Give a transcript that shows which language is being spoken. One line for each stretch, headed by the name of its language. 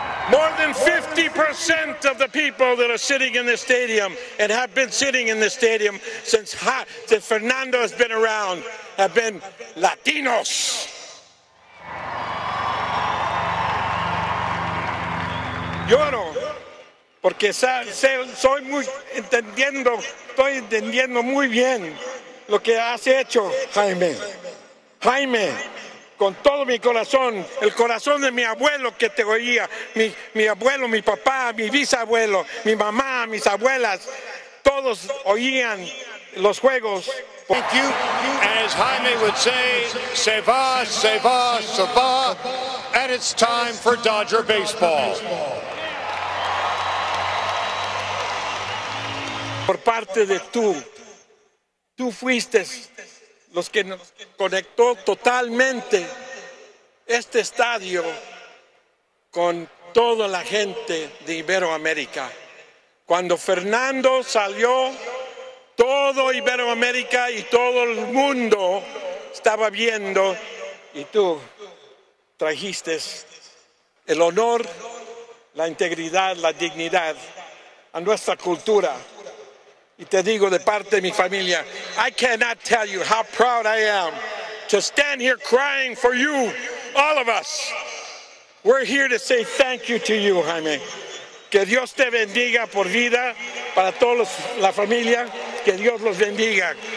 English: More than 50% of the people that are sitting in this stadium and have been sitting in this stadium since Fernando has been around have been Latinos.
Spanish: Lloro porque soy muy entendiendo, estoy entendiendo muy bien lo que has hecho, Jaime. Jaime, con todo mi corazón, el corazón de mi abuelo que te oía, mi abuelo, mi papá, mi bisabuelo, mi mamá, mis abuelas, todos oían los juegos.
English: Thank you. As Jaime would say,
Spanish: se va, se va, se va,
English: and it's time for Dodger baseball.
Spanish: Por parte de tú, tú fuiste los que nos conectó totalmente este estadio con toda la gente de Iberoamérica. Cuando Fernando salió, todo Iberoamérica y todo el mundo estaba viendo y tú trajiste el honor, la integridad, la dignidad a nuestra cultura. Y te digo de parte de mi familia,
English: I cannot tell you how proud I am to stand here crying for you, all of us. We're here to say thank you to you, Jaime.
Spanish: Que Dios te bendiga por vida, para toda la familia, que Dios los bendiga.